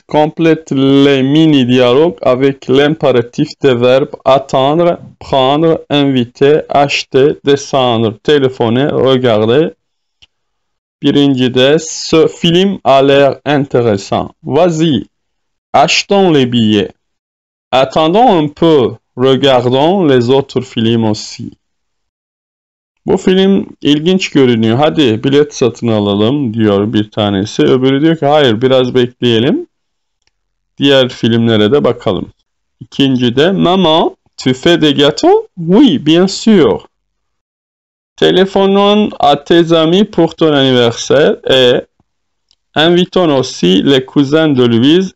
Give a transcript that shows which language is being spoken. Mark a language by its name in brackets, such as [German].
[French] Complète le mini dialogue avec l'impératif de verbe attendre, prendre, inviter, acheter, descendre, téléphoner, regarder. [Turkish] Birincide, [French] ce film a l'air intéressant. Vas-y, achetons les billets. Attendons un peu, regardons les autres films aussi. [Turkish] Bu film ilginç görünüyor. Hadi bilet satın alalım diyor bir tanesi. Öbürü diyor ki hayır biraz bekleyelim. Diğer filmlere de bakalım. İkinci de [French] Maman, tu fais des gâteaux? Oui, bien sûr. Téléphonons à tes amis pour ton anniversaire et invitons aussi les cousins de Louise.